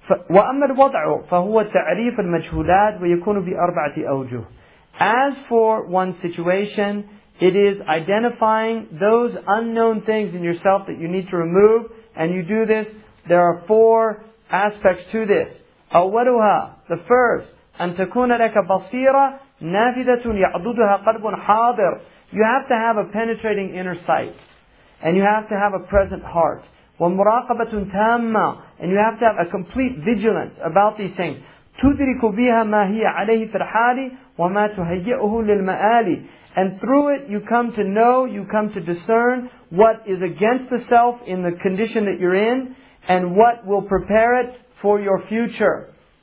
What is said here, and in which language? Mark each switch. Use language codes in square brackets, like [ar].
[ar] وَأَمَّا الْوَضْعُ فَهُوَ تَعْرِيفَ الْمَجْهُولَاتِ وَيَكُونُ بِأَرْبَعَةِ أَوْجُهِ. [en] As for one's situation, it is identifying those unknown things in yourself that you need to remove, and you do this. There are four aspects to this. [ar] أَوَّلُهَا, [en] the first, [ar] أَن تَكُونَ لَكَ بَصِيرَةٌ نَافِذَةٌ يَعْضُدُهَا قَلْبٌ حَاضِرٌ. [en] You have to have a penetrating inner sight, and you have to have a present heart. [ar] وَمُرَاقَبَةٌ تَامَّةٌ, [en] and you have to have a complete vigilance about these things. [ar] تُدْرِكُ بِهَا مَا هِيَ عَلَيْهِ فِي الْحَالِ وَمَا تُهَيِّئُهُ لِلْمَآلِ. [en] And through it you come to know, you come to discern what is against the self in the condition that you're in, and what will prepare it for your future.